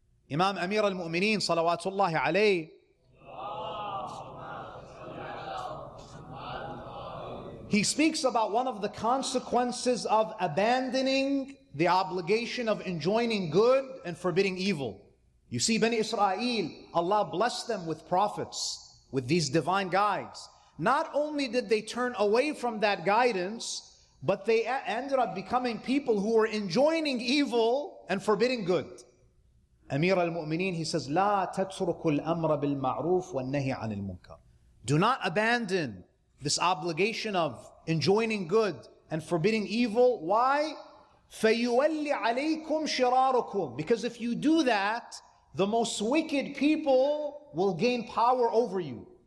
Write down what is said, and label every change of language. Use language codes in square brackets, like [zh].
[en] Imam Amir al-Mu'mineen, salawatullahi alayhi, he speaks about one of the consequences of abandoning the obligation of enjoining good and forbidding evil. You see, Bani Israel, Allah blessed them with prophets, with these divine guides. Not only did they turn away from that guidance, but they ended up becoming people who were enjoining evil and forbidding good. Amir al-Mu'mineen, he says, [ar] لَا تَتْرُكُ الْأَمْرَ بِالْمَعْرُوفِ وَالنَّهِي عَنِ الْمُنْكَرِ. [en] Do not abandon this obligation of enjoining good and forbidding evil. Why? [ar] فَيُوَلِّ عَلَيْكُمْ شِرَارُكُمْ. [en] Because if you do that, the most wicked people will gain power over you.